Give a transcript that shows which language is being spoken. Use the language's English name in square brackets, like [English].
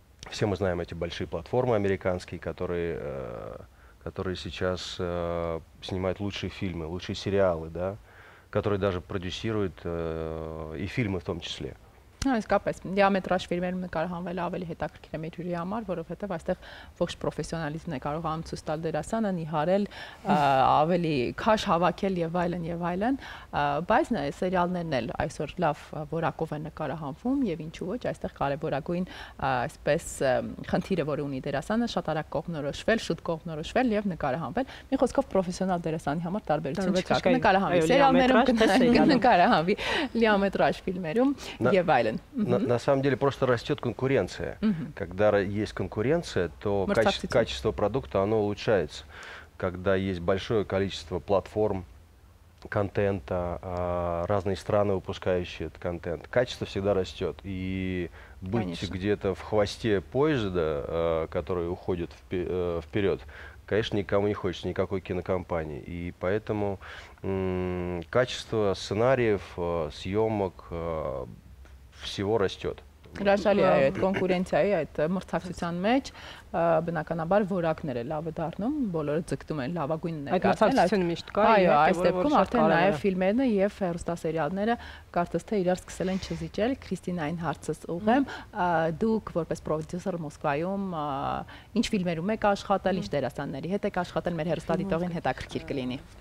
[Russian] Все мы знаем эти большие платформы американские, которые сейчас снимают лучшие фильмы, лучшие сериалы, да, которые даже продюсируют и фильмы в том числе. [Armenian] Ну, իսկապես, դիամետրաժ ֆիլմերում կարողանվել ավելի հետաքրքիր է մեր հյուրի համար, որովհետև այստեղ ոչ պրոֆեսիոնալիզմն է կարողանում ցույց տալ դերասանը, նիհարել, ավելի քաշ հավաքել եւ այլն, բայց նա սերիալներն էլ այսօր լավ որակով են նկարահանվում եւ ինչու ոչ, այստեղ կարևորագույն այսպես խնդիրը, որը ունի դերասանը, շատ արագ կողմնորոշվել, շուտ կողմնորոշվել եւ նկարահանվել։ Մի խոսքով պրոֆեսիոնալ դերասանի համար տարբերություն չկա, նկարահանվի սերիալներում, նկարահանվի դիամետրաժ ֆիլմերում եւ [Russian] На самом деле просто растет конкуренция. Когда есть конкуренция, то качество продукта оно улучшается. Когда есть большое количество платформ, контента, разные страны, выпускающие этот контент, качество всегда растет. И быть конечно где-то в хвосте поезда, который уходит вперед, конечно, никому не хочется, никакой кинокомпании. И поэтому качество сценариев, съемок всего растет. [Armenian] Հրաշալի է այդ կոնկուրենցիայի, այդ մրցակցության մեջ, բնականաբար որակները լավը դառնում, բոլորը ձգտում են լավագույն ներկայացնել, այդ միշտ կա, այո, այս դեպքում արդեն նաև ֆիլմերը եւ հեռուստասերիալները կարծես թե իրար սկսել են չզիջել։ Քրիստինային հարցս ուղղեմ, դուք որպես պրոդյուսեր Մոսկվայում ինչ ֆիլմերում եք աշխատել, ինչ դերասանների հետ եք աշխատել, մեր հեռուստադիտողին հետաքրքիր կլինի։